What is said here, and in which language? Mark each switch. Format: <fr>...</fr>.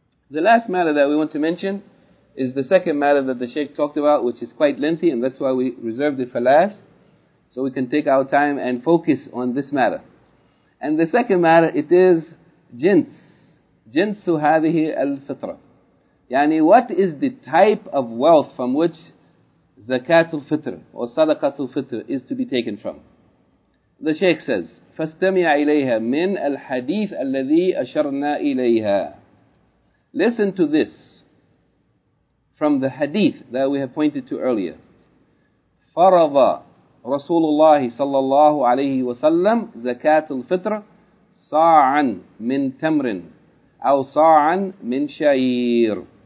<en>The last matter that we want to mention is the second matter that the Shaykh talked about, which is quite lengthy, and that's why we reserved it for last, so we can take our time and focus on this matter. And the second matter, it is</en> <ar>jinsu hadhihi al-fitra.</ar> <en>Yani, what is the type of wealth from which zakatul fitr or sadaqatul fitr is to be taken from? The Shaykh says,</en> <ar>فَاسْتَمِعَ إِلَيْهَا مِنْ الْحَدِيثِ الَّذِي أَشَرْنَا إِلَيْهَا.</ar> <en>Listen to this from the hadith that we have pointed to earlier.</en> <ar>فَرَضَ رَسُولُ اللَّهِ صَلَّى اللَّهُ عَلَيْهِ وَسَلَّمْ زَكَاةُ الْفِطْرَ صَاعًا مِنْ تَمْرٍ أَوْ صَاعًا مِنْ شَعِيرٍ.</ar>